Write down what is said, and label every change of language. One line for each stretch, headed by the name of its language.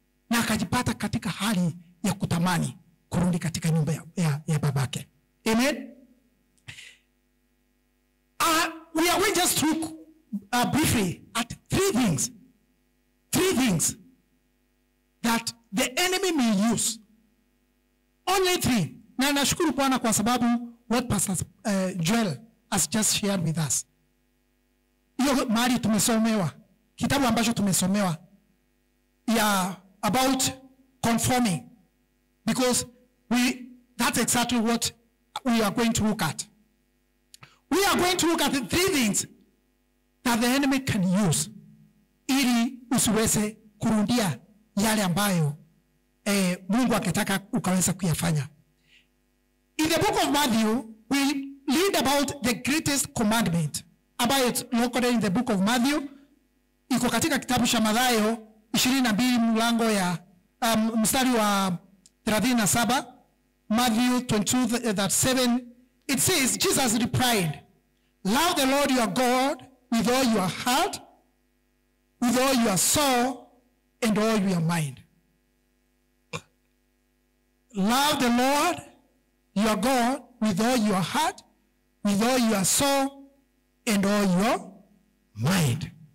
Swahili: Na akajipata katika hali ya kutamani kurudi katika nyumba ya babake. Amen.
English: We just look briefly at three things that the enemy may use. Only three.
Swahili: Na nashukuru Bwana kwa sababu
English: what Pastor Joel has just shared with us.
Swahili: Iyo mahali tumesomewa. Kitabu ambacho tumesomewa.
English: Ya about conforming. Because that's exactly what we are going to look at. We are going to look at the three things that the enemy can use.
Swahili: Ili usiweze kurundia yale ambayo Mungu akitaka ukaweza kuyafanya.
English: In the book of Matthew, we read about the greatest commandment.
Swahili: Ambayo
English: it's located in the book of Matthew.
Swahili: Iko katika kitabu cha Mathayo 22 mlango ya mstari wa 37.
English: Matthew 22:7. It says, Jesus replied, "Love the Lord your God with all your heart, with all your soul, and all your mind." Love the Lord your God with all your heart, with all your soul, and all your mind.